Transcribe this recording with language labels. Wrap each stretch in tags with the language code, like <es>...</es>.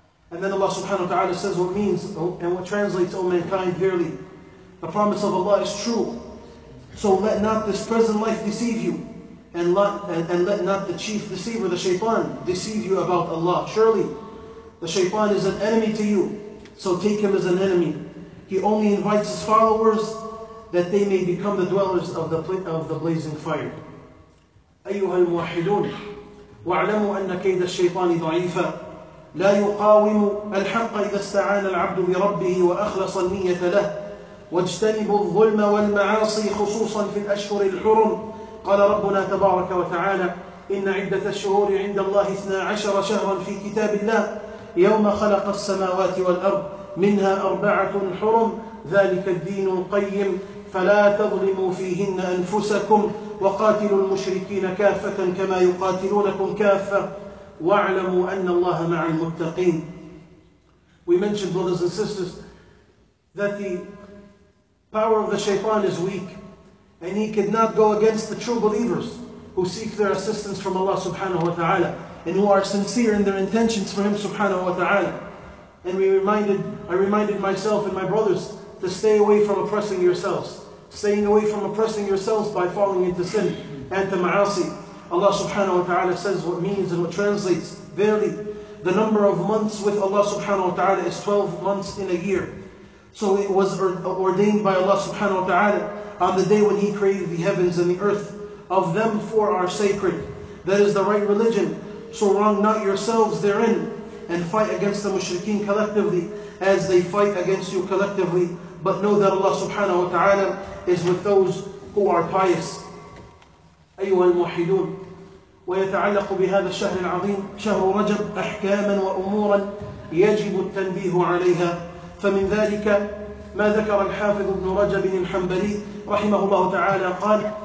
<en>And then Allah subhanahu wa ta'ala says what means and what translates: O mankind, verily the promise of Allah is true, so let not this present life deceive you, and let not the chief deceiver, the shaytan, deceive you about Allah. Surely the shaytan is an enemy to you, so take him as an enemy. He only invites his followers that they may become the dwellers of the blazing fire.</en> <ar>أيها الموحدون واعلموا أن كيد الشيطان ضعيفا لا يقاوم الحق إذا استعان العبد بربه وأخلص النية له واجتنبوا الظلم والمعاصي خصوصا في الأشهر الحرم. قال ربنا تبارك وتعالى: إن عدة الشهور عند الله 12 شهرا في كتاب الله يوم خلق السماوات والأرض منها أربعة حرم ذلك الدين القيم فلا تظلموا فيهن أنفسكم وقاتلوا المشركين كافة كما يقاتلونكم كافة واعلموا أن الله مع المتقين.</ar> <en>We mentioned, brothers and sisters, that the power of the shaytan is weak and he could not go against the true believers who seek their assistance from Allah subhanahu wa ta'ala and who are sincere in their intentions for him subhanahu wa ta'ala. And I reminded myself and my brothers to stay away from oppressing yourselves. Staying away from oppressing yourselves by falling into sin and to ma'asi. Allah subhanahu wa ta'ala says what means and what translates: verily, the number of months with Allah subhanahu wa ta'ala is 12 months in a year. So it was ordained by Allah subhanahu wa ta'ala on the day when he created the heavens and the earth. Of them, four are sacred. That is the right religion. So wrong not yourselves therein, and fight against the mushrikeen collectively as they fight against you collectively. But know that Allah subhanahu wa ta'ala is with those who are pious.</en> <ar>أيها الموحدون ويتعلق بهذا الشهر العظيم شهر رجب أحكاما وأمورا يجب التنبيه عليها. فمن ذلك ما ذكر الحافظ ابن رجب الحنبلي رحمه الله تعالى قال:</ar>